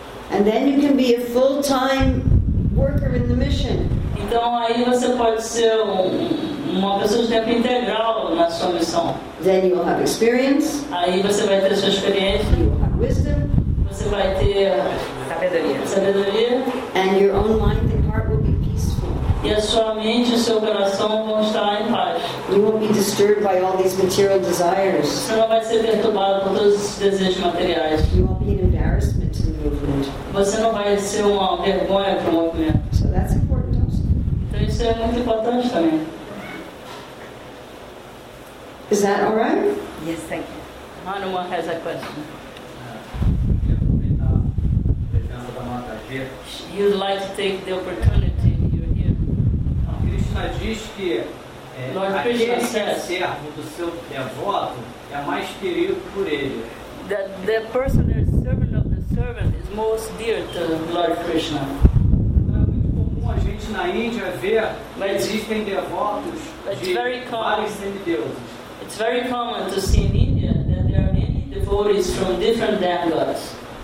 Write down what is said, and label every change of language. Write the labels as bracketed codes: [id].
[en] And then you can be a full-time worker in the mission. [pt] Então aí você pode ser uma pessoa de tempo integral na sua missão. [en] Then you will have experience. [pt] Aí você vai ter sua experiência. [en] Wisdom. [pt] Você vai ter sabedoria. [en] And your own mind and heart will be peaceful. [pt] E a sua mente e seu coração vão estar em paz. [en] You won't be disturbed by all these material desires. [pt] Você não vai ser perturbado por todos os desejos materiais. [en] You won't be an embarrassment to the movement. [pt] Você não vai ser uma vergonha para o movimento. [en] So that's important also. [pt] Então isso é muito importante também. [en] Is that all right? Yes, thank you. Hanuman has a question. You'd like to take the opportunity you're here. [pt] Krishna diz que [en] Lord Krishna says [pt] do seu devoto é mais querido por ele. [en] That the personal servant of the servant is most dear to Lord Krishna. [pt] É muito comum a gente na Índia ver que existem devotos de vários semideuses. [en] It's very common to see in India that there are many devotees from different demigods.